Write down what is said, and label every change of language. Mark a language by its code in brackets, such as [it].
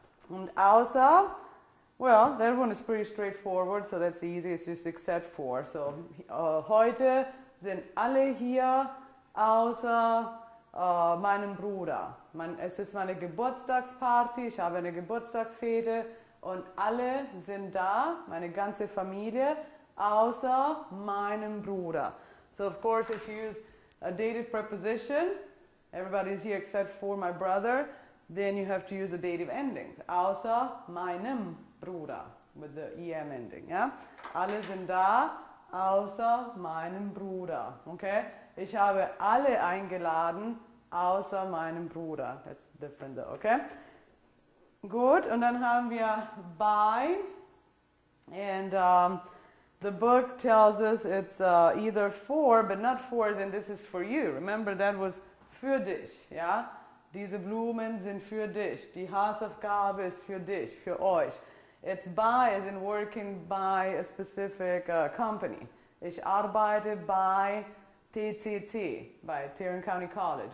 [en] And außer, well, that one is pretty straightforward, so that's easy. It's just except for. [de] So heute sind alle hier außer meinem Bruder. Es ist meine Geburtstagsparty, ich habe eine Geburtstagsfete und alle sind da, meine ganze Familie, außer meinem Bruder. [en] So of course if you use a dative preposition, everybody is here except for my brother, then you have to use a dative ending. [de] Außer meinem Bruder, [en] with the EM ending. Yeah? [de] Alle sind da, außer meinem Bruder. Okay? Ich habe alle eingeladen, außer meinem Bruder. [en] That's different though, okay? [de] Gut, und dann haben wir bei. [en] And the book tells us it's either for, but not for, as in this is for you. Remember, that was [de] für dich, [en] yeah? [de] Diese Blumen sind für dich. Die Hausaufgabe ist für dich, für euch. [en] It's by as in working by a specific company. [de] Ich arbeite bei TCC, bei Tarrant County College.